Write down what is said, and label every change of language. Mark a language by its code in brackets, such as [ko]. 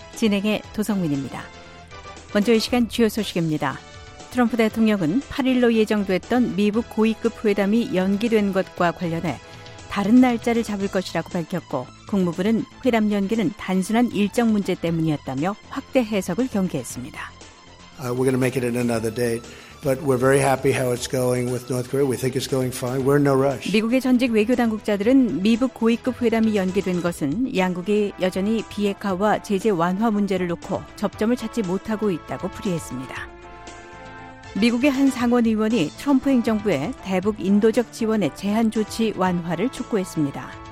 [ko] 진행의 도성민입니다. 먼저 이 시간 주요 소식입니다. 트럼프 대통령은 8일로 예정됐던 미국 고위급 회담이 연기된 것과 관련해 다른 날짜를 잡을 것이라고 밝혔고 국무부는 회담 연기는 단순한 일정 문제 때문이었다며 확대 해석을 경계했습니다. [en] We're going to make it another date. But we're very happy how it's going with North Korea. We think it's going fine. We're in no rush. [ko] 미국의 전직 외교 당국자들은 미국 고위급 회담이 연기된 것은 양국이 여전히 비핵화와 제재 완화 문제를 놓고 접점을 찾지 못하고 있다고 풀이했습니다. 미국의 한 상원 의원이 트럼프 행정부에 대북 인도적 지원의 제한 조치 완화를 촉구했습니다.